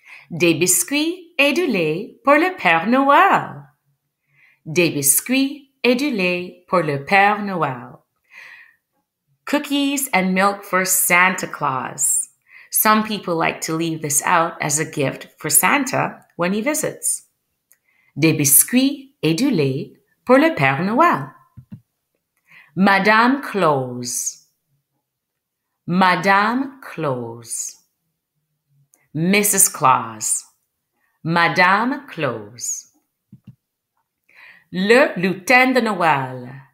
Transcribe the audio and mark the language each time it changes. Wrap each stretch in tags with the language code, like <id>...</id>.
<fr>Des biscuits et du lait pour le Père Noël. Des biscuits et du lait pour le Père Noël.</fr> <en>Cookies and milk for Santa Claus. Some people like to leave this out as a gift for Santa when he visits.</en> <fr>Des biscuits et du lait pour le Père Noël. Madame Close. Madame Close. Mrs. Claus. Madame Close. Le lutin de Noël.</fr>